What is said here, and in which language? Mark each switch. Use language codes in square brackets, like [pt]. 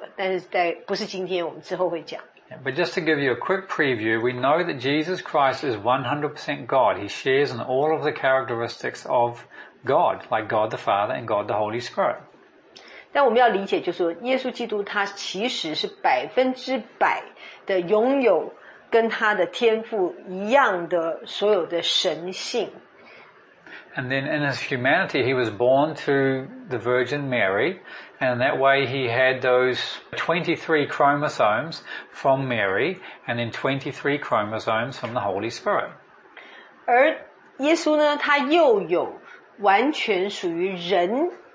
[zh] 以后呢，我们也会再很清楚的讲解，就是上校牧师他对于耶稣基督神人合一的这个部分哦，他的整个的说明是非常非常棒的一个课。但是在不是今天，我们之后会讲。But [en] just to give you a quick preview, we know that Jesus Christ is 100% God. He shares in all of the characteristics of God, like God the Father and God the Holy Spirit. [zh] 但我们要理解，就是说，耶稣基督他其实是100%的拥有跟他的天父一样的所有的神性。And [en] then in his humanity, he was born to the Virgin Mary, and that way he had those 23 chromosomes from Mary, and then 23 chromosomes from the Holy Spirit. [zh] 而耶稣呢，他又有完全属于人。